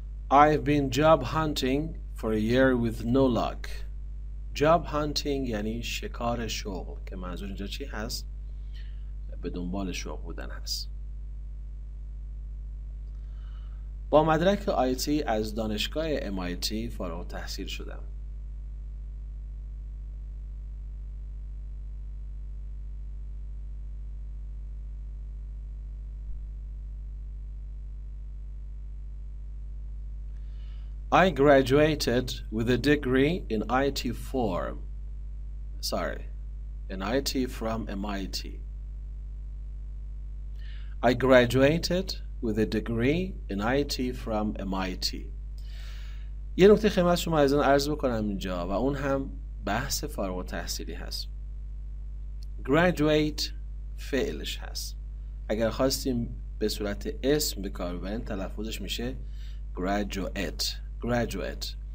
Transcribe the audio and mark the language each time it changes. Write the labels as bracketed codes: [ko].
[en] I've been job hunting for a year with no luck. [fa] Job hunting یعنی شکار شغل که منظور اینجا چی هست؟ به دنبال شغل بودن هست. با مدرک IT از دانشگاه MIT فارغ التحصیل شدم. [en] I graduated with a degree in IT form. Sorry, in IT from MIT. I graduated with a degree in IT from MIT. [fa] یه نکته خدمت شما عزیزان عرض بکنم اینجا و اون هم بحث فارغ التحصیلی هست. Graduate فعلش هست. اگر خواستیم به صورت اسم به کار ببریم تلفظش میشه graduate. [en] Graduate.